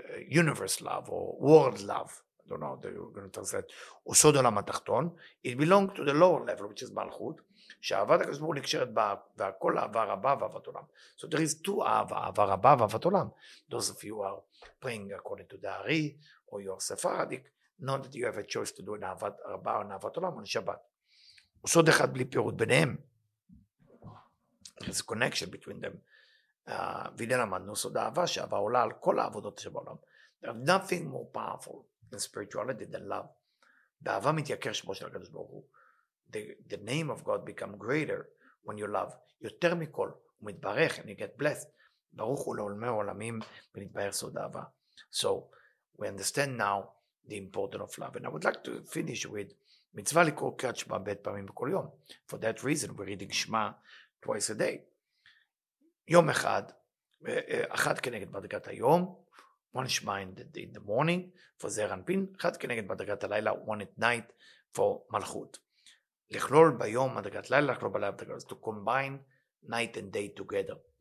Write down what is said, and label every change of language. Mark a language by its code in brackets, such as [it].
[en] Universe love or world love. I don't know how you're going to translate. [he] וסוד עולם התחתון. [en] It belongs to the lower level, which is מלכות. [he] שאהבת הקדוש ברוך הוא נקשרת בה, והכל אהבה רבה ואהבת עולם. [en] So there is two אהבה, אהבה רבה ואהבת עולם. Those of you are praying according to the Ari, or you are Sephardic, know that you have a choice to do an אהבת רבה או אהבת עולם on Shabbat. [he] וסוד אחד בלי פירוט ביניהם. [en] There's a connection between them. [he] והנה למדנו סוד אהבה, שאהבה עולה על כל העבודות שבעולם. [en] There is nothing more powerful in spirituality than love. [he] באהבה מתייקר שמו של הקדוש ברוך הוא. [en] The name of God become greater when you love. [he] יותר מכל, הוא מתברך, [en] and you get blessed. [he] ברוך הוא לעולמי עולמים, ונתבהר סוד אהבה. [en] So, we understand now the importance of love. And I would like to finish with [he] מצווה לקרוא קריאת שמע בית פעמים בכל יום. [en] For that reason, we're reading שמה twice a day. [he] יום אחד, אחד כנגד מדרגת היום, [en] one שמה in the morning, for זר אנפין, [he] אחד כנגד מדרגת הלילה, [en] one at night, for [he] מלכות. לכלול ביום מדרגת לילה, לכלול בלילה מדרגת לילה, [en] to combine night and day together.